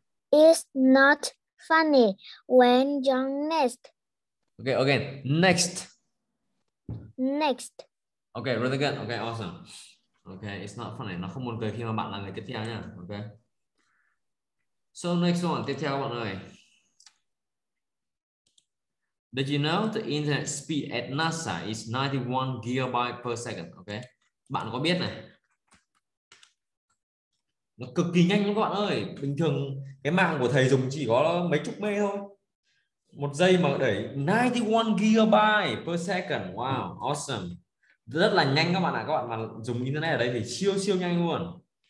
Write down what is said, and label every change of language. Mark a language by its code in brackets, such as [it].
[en] It's not funny when you're next. Okay, again. Next. Next. Okay, really good. Okay, awesome. Okay, it's not funny. [vi] Nó không buồn cười khi mà bạn là người tiếp theo nha. Okay. [en] So next one, [vi] tiếp theo mọi người. [en] Did you know the internet speed at NASA is 91 gigabyte per second? [vi] Okay. Bạn có biết này. Nó cực kỳ nhanh lắm các bạn ơi. Bình thường cái mạng của thầy dùng chỉ có mấy chục mê thôi. Một giây mà đẩy 91 gigabyte per second. Wow, awesome. Rất là nhanh các bạn ạ. Các bạn mà dùng internet ở đây thì siêu siêu nhanh luôn.